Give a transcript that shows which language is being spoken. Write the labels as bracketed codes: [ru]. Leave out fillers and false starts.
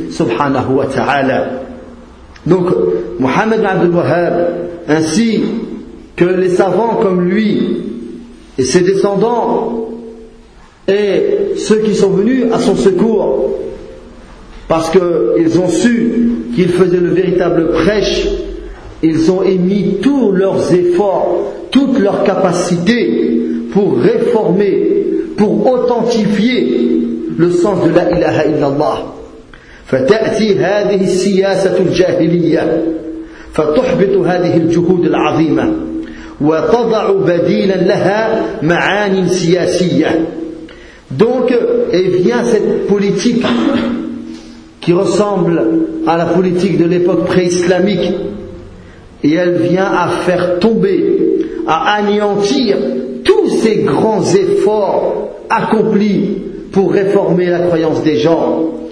[ar] Subhanahu wa ta'ala. [fr] Donc, Muhammad ibn Abd al-Wahhab, ainsi que les savants comme lui et ses descendants et ceux qui sont venus à son secours parce qu'ils ont su qu'il faisait le véritable prêche, ils ont émis tous leurs efforts, toutes leurs capacités pour réformer, pour authentifier le sens de la ilaha illallah. [ar] فتأتي هذه السياسة الجاهلية فتحبط هذه الجهود العظيمة وتضع بديلا لها معاني سياسية. [fr] Donc, et vient cette politique qui ressemble à la politique de l'époque pré-islamique Et elle vient à faire tomber, à anéantir tous ces grands efforts accomplis pour réformer la croyance des gens.